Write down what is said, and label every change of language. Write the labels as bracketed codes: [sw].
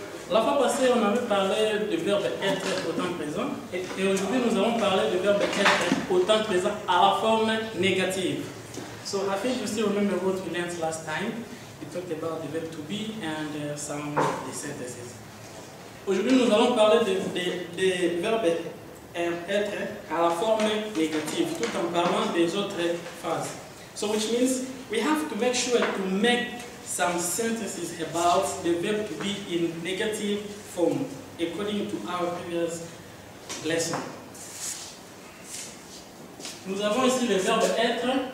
[fr] La fois passée, on avait parlé du verbe être au temps présent. Et aujourd'hui, nous allons parler du verbe être au temps présent à la forme négative. [en] So, Rafi, you still remember what we learned last time? We talked about the verb to be and some of the sentences. [fr] Aujourd'hui, nous allons parler de verbe être à la forme négative, tout en parlant des autres phrases. [en] So, which means we have to make sure to make some sentences about the verb to be in negative form, according to our previous lesson. [fr] Nous avons ici le verbe être.